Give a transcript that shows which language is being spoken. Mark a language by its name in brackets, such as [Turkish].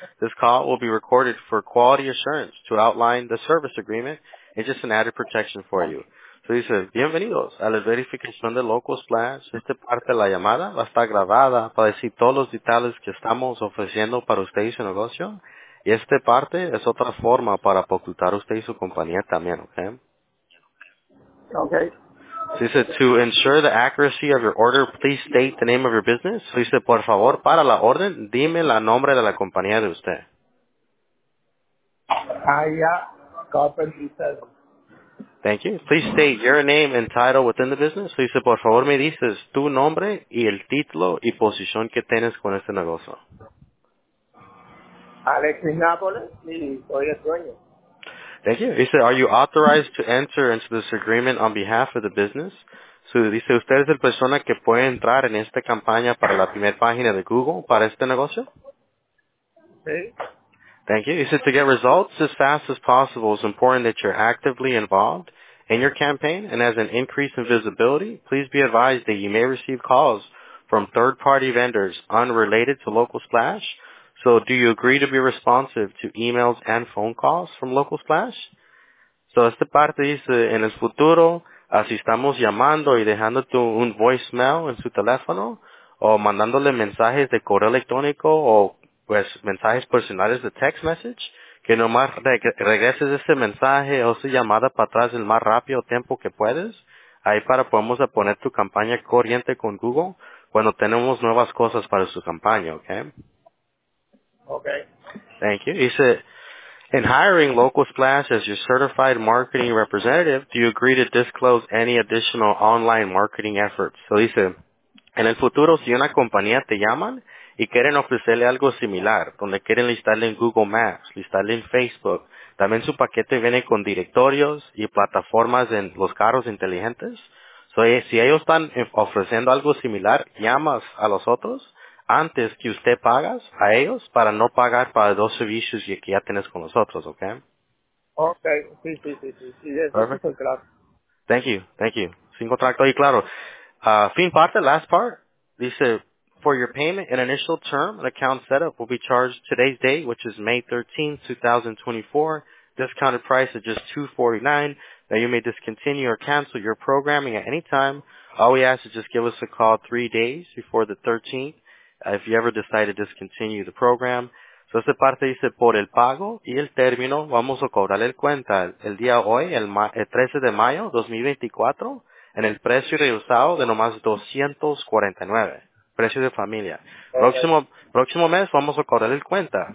[English] This call will be recorded for quality assurance to outline the service agreement and just an added protection for you. [Spanish] So dice, bienvenidos a la verificación de Local Splash. Esta parte de la llamada va a estar grabada para decir todos los detalles que estamos ofreciendo para usted y su negocio. Y esta parte es otra forma para ocultar usted y su compañía también, ¿ok? Ok. [English] So [Spanish] dice, [English] to ensure the accuracy of your order, please state the name of your business. [Spanish] So dice, por favor, para la orden, dime el nombre de la compañía de usted. Aya Carpenter. [English] Thank you. Please state your name and title within the business. [Spanish] Dice, por favor, me dices tu nombre y el título y posición que tienes con este negocio. Alexis Nápoles, y soy el dueño. [English] Thank you. [Spanish] Dice, [English] are you authorized to enter into this agreement on behalf of the business? [Spanish] So, dice, ¿usted es la persona que puede entrar en esta campaña para la primera página de Google para este negocio? Sí. [English] Thank you. He said, to get results as fast as possible, it's important that you're actively involved in your campaign, and as an increase in visibility, please be advised that you may receive calls from third-party vendors unrelated to Local Splash. So do you agree to be responsive to emails and phone calls from Local Splash? [Spanish] So esta parte dice, en el futuro, si estamos llamando y dejándote un voicemail en su teléfono, o mandándole mensajes de correo electrónico, o pues mensajes personales de [English] text message, [Spanish] que nomás regreses ese mensaje o esa llamada para atrás el más rápido tiempo que puedes, ahí para podemos poner tu campaña corriente con Google cuando tenemos nuevas cosas para su campaña, ¿ok? Ok. [English] Thank you. [Spanish] Dice, [English] in hiring Local Splash as your certified marketing representative, do you agree to disclose any additional online marketing efforts? [Spanish] So dice, en el futuro, si una compañía te llaman y quieren ofrecerle algo similar, donde quieren listarle en Google Maps, listarle en Facebook, también su paquete viene con directorios y plataformas en los carros inteligentes. So, si ellos están ofreciendo algo similar, llamas a los otros antes que usted pagas a ellos para no pagar para dos servicios que ya tienes con los otros, ¿ok? Ok, sí. Perfecto. [English] Thank you. [Spanish] Sin contrato. Y claro, fin parte, [English] last part, dice, for your payment, an initial term, an account setup will be charged today's date, which is May 13, 2024. Discounted price is just $249. Now you may discontinue or cancel your programming at any time. All we ask is just give us a call 3 days before the 13th if you ever decide to discontinue the program. [Spanish] So esta parte dice, por el pago y el término, vamos a cobrarle el cuenta el día hoy, el 13 de mayo 2024, en el precio reusado de nomás $249. Precio de familia. Okay. Próximo mes vamos a cobrar el cuenta.